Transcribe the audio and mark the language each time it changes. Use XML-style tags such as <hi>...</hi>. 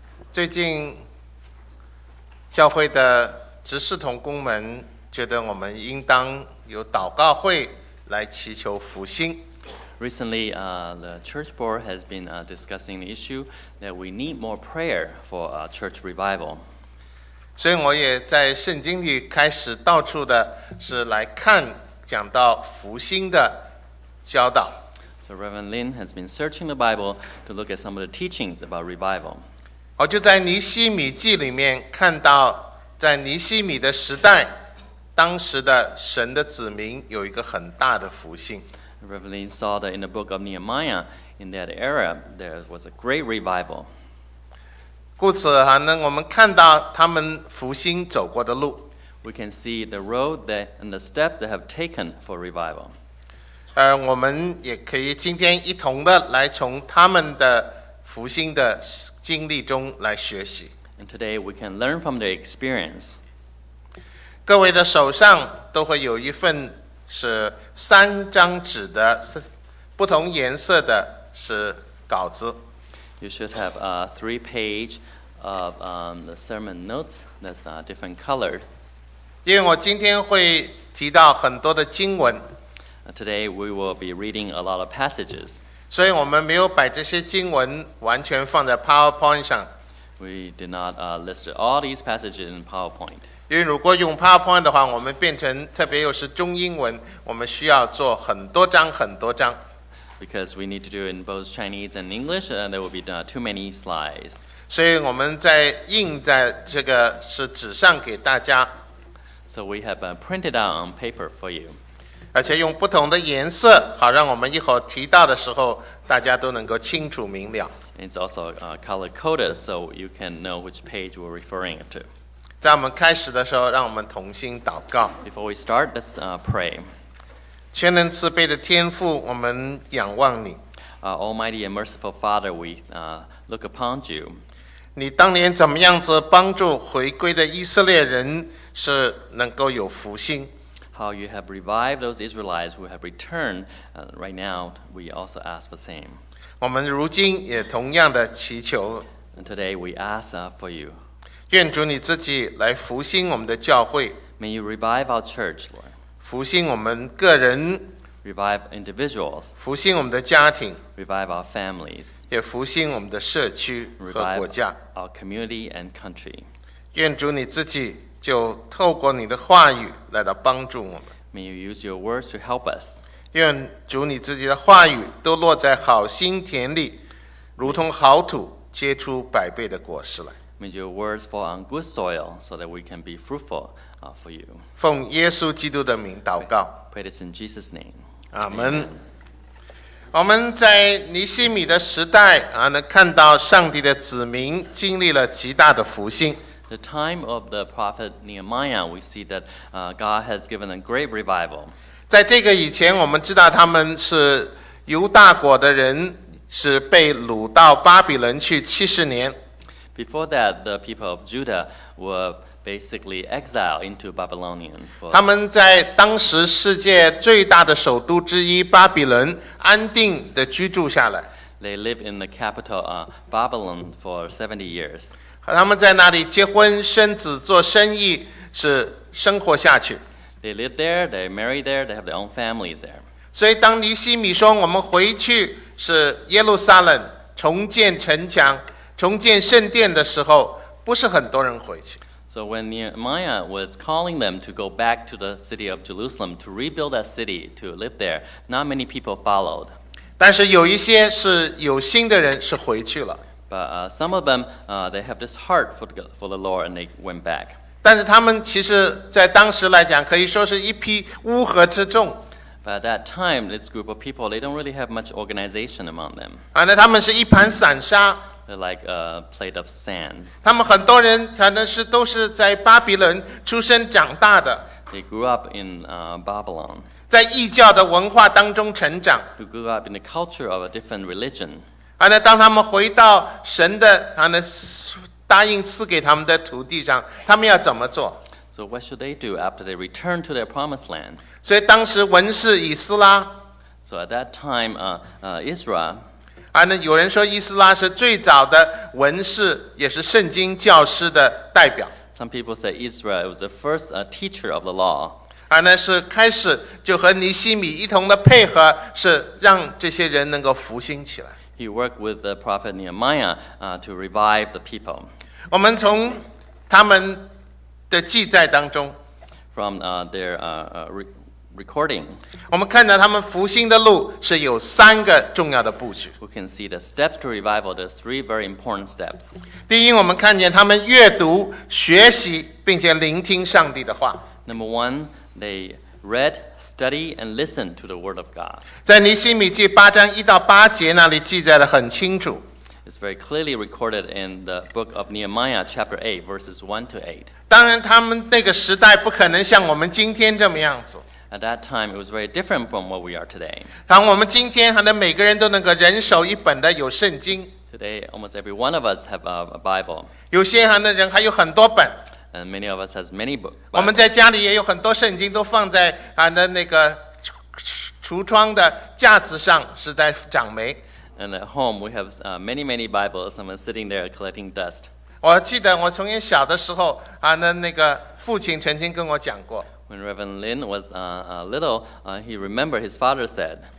<zh>最近教会的执事同工们觉得我们应当有祷告会来祈求复兴。</zh> <en>Recently, the church board has been discussing the issue that we need more prayer for a church revival.</en> <zh>所以我也在圣经里开始到处的是来看讲到复兴的教导。</zh> <en>So Reverend Lin has been searching the Bible to look at some of the teachings about revival.</en> <zh>我就在尼希米记里面看到，在尼希米的时代，当时的神的子民有一个很大的复兴。</zh> <en>Reverend Lin saw that in the book of Nehemiah, in that era, there was a great revival.</en> <zh>故此呢，我们看到他们复兴走过的路。</zh> <en>We can see the road that and the steps they have taken for revival.</en> <zh>我们也可以今天一同的来从他们的复兴的经历中来学习。</zh> <en>And today we can learn from their experience.</en> <zh>各位的手上都会有一份是三张纸的，是不同颜色的，是稿子。</zh> <en>You should have a three-page of the sermon notes that's different colored.</en> <zh>因为我今天会提到很多的经文。</zh> <en>Today we will be reading a lot of passages.</en> <zh>所以我们没有把这些经文完全放在 PowerPoint 上。</zh> <en>We did not list all these passages in PowerPoint.</en> <zh>因为如果用 PowerPoint 的话，我们变成特别又是中英文，我们需要做很多张很多张。</zh> <en>Because we need to do it in both Chinese and English, and there will be too many slides.</en> <zh>所以我们在印在这个是纸上给大家。</zh> <en>So we have printed out on paper for you.</en> <zh>而且用不同的颜色，好让我们一会提到的时候，大家都能够清楚明了。</zh> <en>It's also color coded, so you can know which page we're referring to.</en> <zh>在我们开始的时候，让我们同心祷告。</zh> <en>Before we start, let's pray.</en> <zh>全能慈悲的天父，我们仰望你。</zh> <en>Almighty and merciful Father, we look upon you.</en> <zh>你当年怎么样子帮助回归的以色列人是能够有复兴</zh> <en>？How you have revived those Israelites who have returned right now? We also ask the same.</en> <zh>我们如今也同样的祈求。</zh> <en>And today we ask for you.</en> <zh>愿主你自己来复兴我们的教会。</zh> <en>May you revive our church, Lord.</en> <zh>复兴我们个人。</zh> <en>Revive individuals.</en> <zh>复兴我们的家庭。</zh> <en>Revive our families.</en> <zh>也复兴我们的社区和国家。</zh> <en>Revive our community and country.</en> <zh>愿主你自己就透过你的话语来到帮助我们。</zh> <en>May you use your words to help us.</en> <zh>愿主你自己的话语都落在好心田里，如同好土，结出百倍的果实来。</zh> <en>May your words fall on good soil so that we can be fruitful for you.</en> <zh>奉耶稣基督的名祷告。</zh> <en>Pray this in Jesus' name. Amen.</en> <zh>我们在尼希米的时代能看到上帝的子民经历了极大的复兴。</zh> <en>The time of the prophet Nehemiah, we see that God has given a great revival.</en> <zh>在这个以前，我们知道他们是犹大国的人，是被掳到巴比伦去70年。</zh> <en>Before that, the people of Judah were basically exiled into Babylonian.</en> <zh>他们在当时世界最大的首都之一巴比伦安定地居住下来。</zh> <en>They lived in the capital of Babylon for 70 years.</en> <zh>他们在那里结婚生子做生意是生活下去。</zh> <en>They lived there, they married there, they have their own families there.</en> <zh>所以当尼希米说我们回去是耶路撒冷重建城墙。重建圣殿的时候，不是很多人回去。</zh> <en>So when Nehemiah was calling them to go back to the city of Jerusalem to rebuild that city to live there, not many people followed.</en> <zh>但是有一些是有心的人是回去了。</zh> <en>But some of them, they have this heart for the Lord and they went back.</en> <zh>但是他们其实在当时来讲，可以说是一批乌合之众。</zh> <en>But at that time, this group of people, they don't really have much organization among them.</en> <zh>那他们是一盘散沙。</zh> <en>They're like a plate of sand.</en> <zh>他们很多人可能是都是在巴比伦出生长大的。</zh> <en>They grew up in Babylon.</en> <zh>在异教的文化当中成长。</zh> <en>They grew up in the culture of a different religion.</en> <zh>当他们回到神的答应赐给他们的土地上，他们要怎么做</zh> <en>？So what should they do after they return to their promised land?</en> <zh>所以当时文士以斯拉。</zh> <en>So at that time, Israel.</en> <zh>有人说伊斯拉是最早的文士，也是圣经教师的代表。</zh> <en>Some people say Israel was the first teacher of the law.</en> <zh>是开始就和尼希米一同的配合，是让这些人能够复兴起来。</zh> <en>He worked with the prophet Nehemiah to revive the people.</en> <zh>我们从他们的记载当中</zh> <en>，from their recording，</en> <zh>我们看到他们复兴的路是有三个重要的布局。</zh> <en>We can see the steps to revival, the three very important steps.</en> <zh>第一，我们看见他们阅读、学习并且聆听上帝的话。</zh> <en>Number one, they read, study, and listen to the word of God.</en> <zh>在尼希米记八章一到八节那里记载的很清楚。</zh> <en>It's very clearly recorded in the book of Nehemiah, chapter 8, verses 1 to 8.</en> <zh>当然，他们那个时代不可能像我们今天这么样子。</zh> <en>At that time, it was very different from what we are today.</en> <zh>当我们今天还能每个人都能够人手一本的有圣经。</zh> <en>Today, almost every one of us have a Bible.</en> <zh>有些还的人还有很多本。</zh> <en>And many of us has many books.</en> <zh>我们在家里也有很多圣经都放在还的那个橱窗的架子上，是在长霉。</zh> <en>And at home, we have many, many Bibles. I'm sitting there collecting dust.</en> <zh>我记得我从小的时候那个父亲曾经跟我讲过。</zh> <en>When Reverend Lin was little, he remembered his father said.</en>